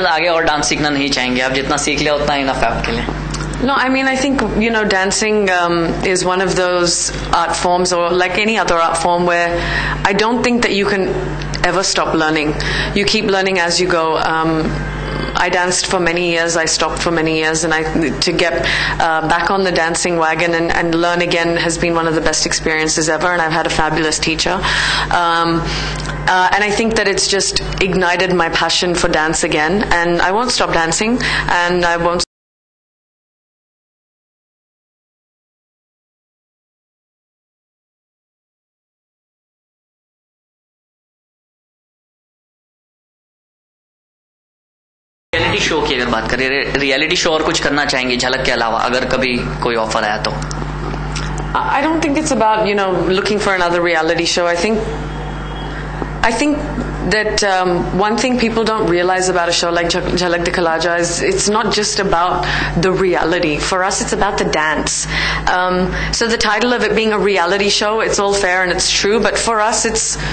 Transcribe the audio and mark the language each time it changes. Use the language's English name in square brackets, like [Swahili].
[Hindi] और डांस सीखना नहीं चाहेंगे आप, जितना सीख लिया उतना इनफ है आपके लिए? [English] No, I mean, I think, you know, dancing is one of those art forms, or like any other art form, where I don't think that you can ever stop learning. You keep learning as you go. I danced for many years, I stopped for many years, and to get back on the dancing wagon and learn again has been one of the best experiences ever, and I've had a fabulous teacher. And I think that it's just ignited my passion for dance again, and I won't stop dancing, and I won't [Hindi] reality show की अगर बात करें, reality show और कुछ करना चाहेंगे झलक के अलावा अगर कभी कोई ऑफर आया तो? [English] I don't think it's about you know looking for another reality show. I think that one thing people don't realize about a show like Jhalak Dikhla Ja is it's not just about the reality. For us, it's about the dance. So the title of it being a reality show, it's all fair and it's true, but for us, it's